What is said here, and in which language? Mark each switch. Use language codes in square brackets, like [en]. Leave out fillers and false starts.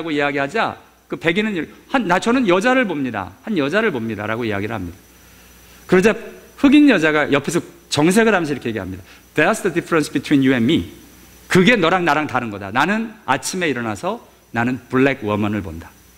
[ko] 라고 이야기하자 그 백인은 저는 여자를 봅니다. 한 여자를 봅니다. 라고 이야기를 합니다. 그러자 흑인 여자가 옆에서 정색을 하면서 이렇게 얘기합니다. [en] That's the difference between you and me. [ko] 그게 너랑 나랑 다른 거다. 나는 아침에 일어나서 나는 블랙 워먼을 본다.